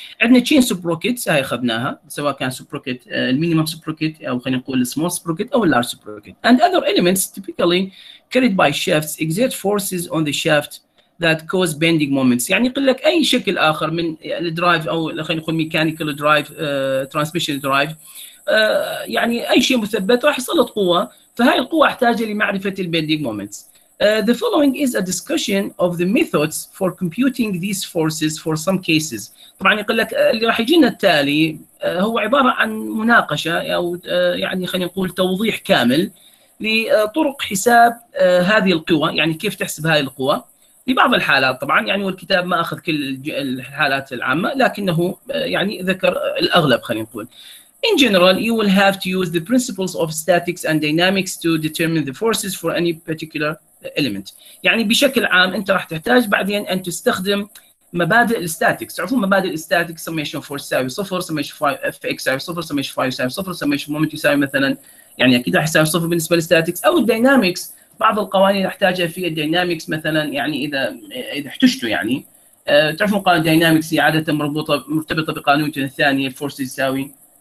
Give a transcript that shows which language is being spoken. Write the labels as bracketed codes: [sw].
[ar] عندنا تشين سبروكيت، هاي اخذناها سواء كان سبروكيت المينيمم سبروكيت او خلينا نقول السمول سبروكيت او اللارج سبروكيت. [en] And other elements typically carried by shafts exert forces on the shaft that cause bending moments. [ar] يعني يقول لك اي شكل اخر من الدرايف او خلينا نقول ميكانيكال درايف ترانسميشن درايف، يعني اي شيء مثبت راح يسلط قوه، فهاي القوة احتاجها لمعرفة البيندينج مومنتس. [en] The following is a discussion of the methods for computing these forces for some cases. [ar] طبعا يقول لك اللي راح يجينا التالي هو عبارة عن مناقشة او يعني خلينا نقول توضيح كامل لطرق حساب هذه القوة، يعني كيف تحسب هذه القوة لبعض الحالات. طبعا يعني والكتاب ما اخذ كل الحالات العامة، لكنه يعني ذكر الاغلب خلينا نقول. [en] In general, you will have to use the principles of statics and dynamics to determine the forces for any particular element. [ar] يعني بشكل عام انت راح تحتاج بعدين ان تستخدم مبادئ الستاتكس. تعرفون مبادئ الستاتكس summation force يساوي صفر، summation fx يساوي صفر، summation fy يساوي صفر، summation moment يساوي مثلا يعني اكيد راح يساوي صفر بالنسبه للستاتكس. او الداينامكس، بعض القوانين احتاجها في الداينامكس مثلا، يعني اذا احتجتوا يعني تعرفون قانون الداينامكس هي عاده مرتبطه بقانون نيوتن الثاني، الفورس يساوي